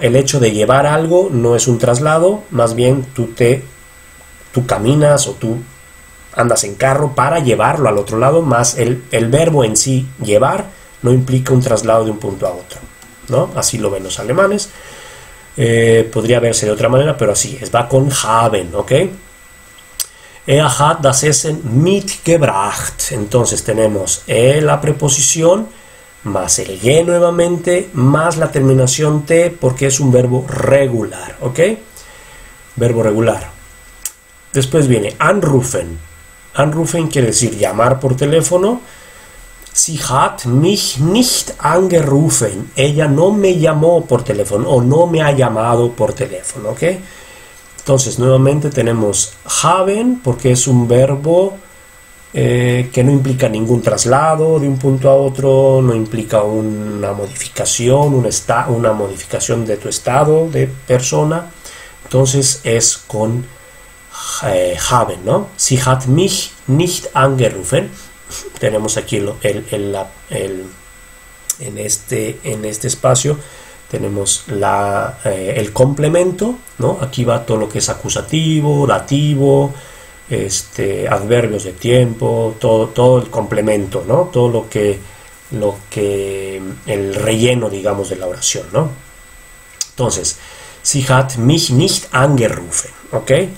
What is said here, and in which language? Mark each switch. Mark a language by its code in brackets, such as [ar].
[es] El hecho de llevar algo no es un traslado, más bien tú caminas o tú andas en carro para llevarlo al otro lado, más el verbo en sí, llevar, no implica un traslado de un punto a otro, ¿no? Así lo ven los alemanes. Podría verse de otra manera, pero así es, va con haben, ¿ok? [de] Er hat das Essen mitgebracht. [es] Entonces tenemos la preposición más el ge nuevamente más la terminación te porque es un verbo regular, ¿ok? Verbo regular. Después viene anrufen. Anrufen quiere decir llamar por teléfono. [de] Sie hat mich nicht angerufen. [es] Ella no me llamó por teléfono o no me ha llamado por teléfono, ¿ok? Entonces, nuevamente tenemos haben porque es un verbo que no implica ningún traslado de un punto a otro, no implica una modificación, una modificación de tu estado de persona. Entonces es con haben, ¿no? [de] Sie hat mich nicht angerufen. [es] Tenemos aquí en este espacio. Tenemos el complemento, ¿no? Aquí va todo lo que es acusativo, dativo, adverbios de tiempo, todo el complemento, ¿no? Todo el relleno, digamos, de la oración, ¿no? [de] Entonces, sie hat mich nicht angerufen, ¿ok?